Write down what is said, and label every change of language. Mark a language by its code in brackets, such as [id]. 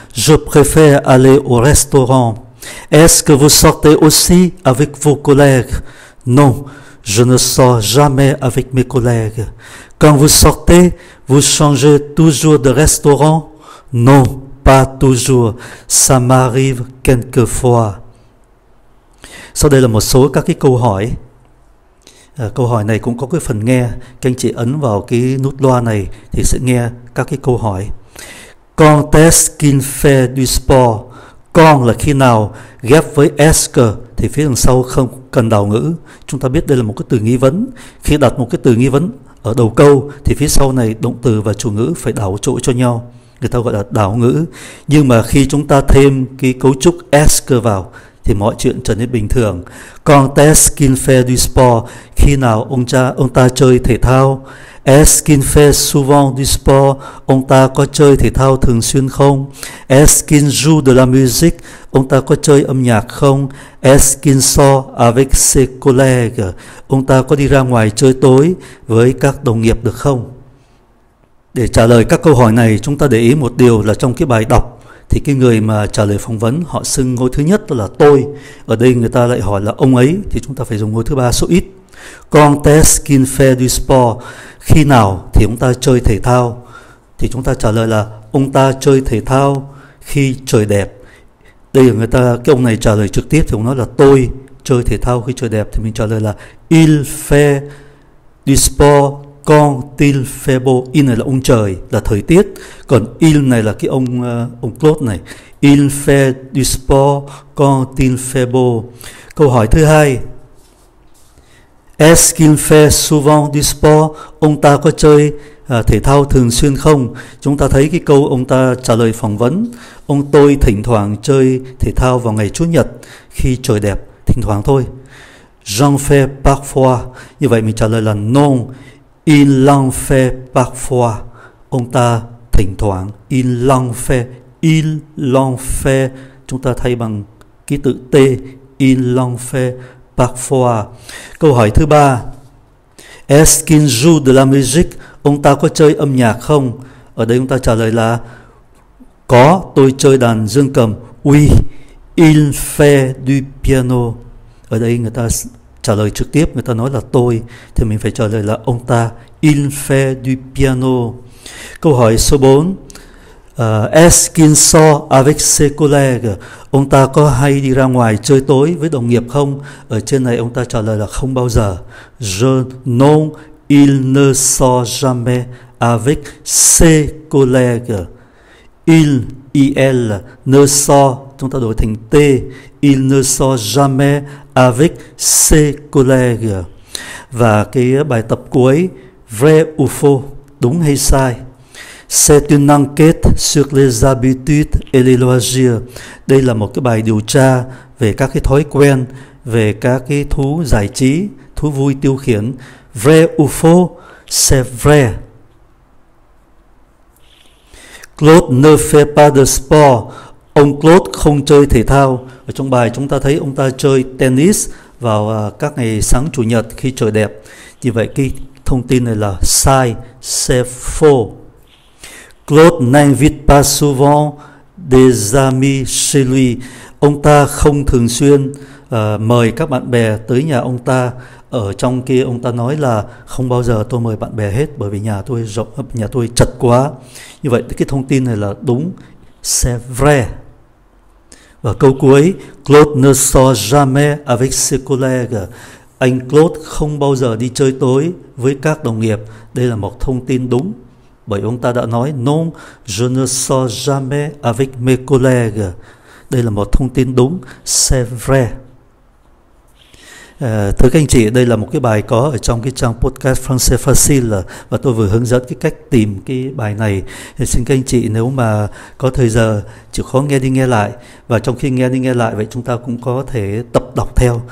[fr] Je préfère aller au restaurant. Est-ce que vous sortez aussi avec vos collègues? Non, je ne sors jamais avec mes collègues. Quand vous sortez, vous changez toujours de restaurant? Non, pas toujours, ça m'arrive quelquefois. [vi] Sau đây là một số các cái câu hỏi. Câu hỏi này cũng có cái phần nghe. Các anh chị ấn vào cái nút loa này thì sẽ nghe các cái câu hỏi. [fr] Quand est-ce qu'il fait du sport? [vi] Quand là khi nào, ghép với est-ce thì phía đằng sau không cần đảo ngữ. Chúng ta biết đây là một cái từ nghi vấn. Khi đặt một cái từ nghi vấn ở đầu câu thì phía sau này động từ và chủ ngữ phải đảo chỗ cho nhau. Người ta gọi là đảo ngữ. Nhưng mà khi chúng ta thêm cái cấu trúc est-ce vào thì mọi chuyện trở nên bình thường. [fr] Quand est-ce qu'il fait du sport? [vi] Khi nào ông ta chơi thể thao? [fr] Est-ce qu'il fait souvent du sport? [vi] Ông ta có chơi thể thao thường xuyên không? [fr] Est-ce qu'il joue de la musique? [vi] Ông ta có chơi âm nhạc không? [fr] Est-ce qu'il sort avec ses collègues? [vi] Ông ta có đi ra ngoài chơi tối với các đồng nghiệp được không? Để trả lời các câu hỏi này, chúng ta để ý một điều là trong cái bài đọc thì cái người mà trả lời phỏng vấn họ xưng ngôi thứ nhất là tôi. Ở đây người ta lại hỏi là ông ấy thì chúng ta phải dùng ngôi thứ ba số ít. [fr] Quand est-ce qu'il fait du sport? [vi] Khi nào thì ông ta chơi thể thao? Thì chúng ta trả lời là ông ta chơi thể thao khi trời đẹp. Đây là người ta, cái ông này trả lời trực tiếp thì ông nói là tôi chơi thể thao khi trời đẹp. Thì mình trả lời là [fr] il fait du sport quand il fait beau. [vi] Il này là ông trời, là thời tiết. Còn il này là cái ông Claude này. [fr] Il fait du sport quand il fait beau. [vi] Câu hỏi thứ hai. [fr] Est-ce qu'il fait souvent du sport? [vi] Ông ta có chơi thể thao thường xuyên không? Chúng ta thấy cái câu ông ta trả lời phỏng vấn. Ông tôi thỉnh thoảng chơi thể thao vào ngày Chủ nhật khi trời đẹp, thỉnh thoảng thôi. [fr] J'en fais parfois. [vi] Như vậy mình trả lời là non. [fr] Il en fait parfois. [vi] Ông ta thỉnh thoảng. [fr] Il en fait. Il en fait. [vi] Chúng ta thay bằng ký tự T. [fr] Il en fait parfois. [vi] Câu hỏi thứ ba. [fr] Est-ce qu'il joue de la musique? [vi] Ông ta có chơi âm nhạc không? Ở đây ông ta trả lời là có, tôi chơi đàn dương cầm. [fr] Oui, il fait du piano. [vi] Ở đây người ta trả lời trực tiếp, người ta nói là tôi thì mình phải trả lời là ông ta. [fr] Il fait du piano. [vi] Câu hỏi số 4. [fr] Est-ce qu'il sort avec ses collègues? [vi] Ông ta có hay đi ra ngoài chơi tối với đồng nghiệp không? Ở trên này ông ta trả lời là không bao giờ. [fr] Je, non, il ne sort jamais avec ses collègues. Il, il, ne sort, [vi] chúng ta đổi thành T. [fr] Il ne sort jamais avec ses collègues. [vi] Và cái bài tập cuối, [fr] vrai ou faux, [vi] đúng hay sai? [fr] C'est une enquête sur les habitudes et les loisirs. [vi] Đây là một cái bài điều tra về các cái thói quen, về các cái thú giải trí, thú vui tiêu khiển. [fr] Vrai ou faux, c'est vrai. Claude ne fait pas de sport. [vi] Ông Claude không chơi thể thao. Ở trong bài chúng ta thấy ông ta chơi tennis vào các ngày sáng chủ nhật khi trời đẹp. Như vậy cái thông tin này là sai, [fr] c'est faux. Claude n'invite pas souvent des amis chez lui. [vi] Ông ta không thường xuyên mời các bạn bè tới nhà ông ta. Ở trong kia ông ta nói là không bao giờ tôi mời bạn bè hết bởi vì nhà tôi rộng, nhà tôi chật quá. Như vậy cái thông tin này là đúng, [fr] c'est vrai. [vi] Và câu cuối, [fr] Claude ne sort jamais avec ses collègues. [vi] Anh Claude không bao giờ đi chơi tối với các đồng nghiệp. Đây là một thông tin đúng. Bởi ông ta đã nói [fr] non, je ne sors jamais avec mes collègues. [vi] Đây là một thông tin đúng, [fr] c'est vrai. [vi] Thưa các anh chị, đây là một cái bài có ở trong cái trang podcast Français Facile và tôi vừa hướng dẫn cái cách tìm cái bài này. Thì xin các anh chị nếu mà có thời giờ chịu khó nghe đi nghe lại, và trong khi nghe đi nghe lại vậy chúng ta cũng có thể tập đọc theo.